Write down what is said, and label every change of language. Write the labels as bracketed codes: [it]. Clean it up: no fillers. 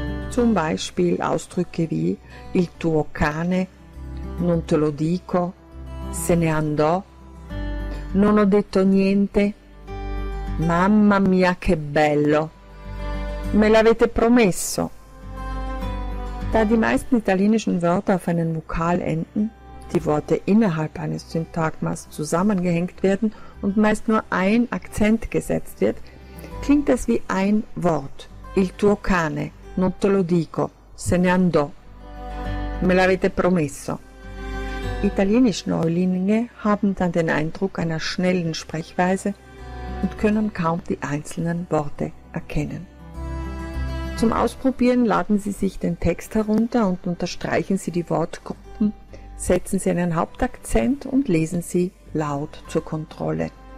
[de] Zum Beispiel Ausdrücke wie [it] il tuo cane, non te lo dico, se ne andò, non ho detto niente, mamma mia che bello, me l'avete promesso. [de] Da die meisten italienischen Wörter auf einen Vokal enden, die Worte innerhalb eines Syntagmas zusammengehängt werden und meist nur ein Akzent gesetzt wird, klingt das wie ein Wort. [it] Il tuo cane, non te lo dico, se ne andò. Me l'avete promesso. [de] Italienisch-Neulinge haben dann den Eindruck einer schnellen Sprechweise und können kaum die einzelnen Worte erkennen. Zum Ausprobieren laden Sie sich den Text herunter und unterstreichen Sie die Wortgruppen, setzen Sie einen Hauptakzent und lesen Sie laut zur Kontrolle.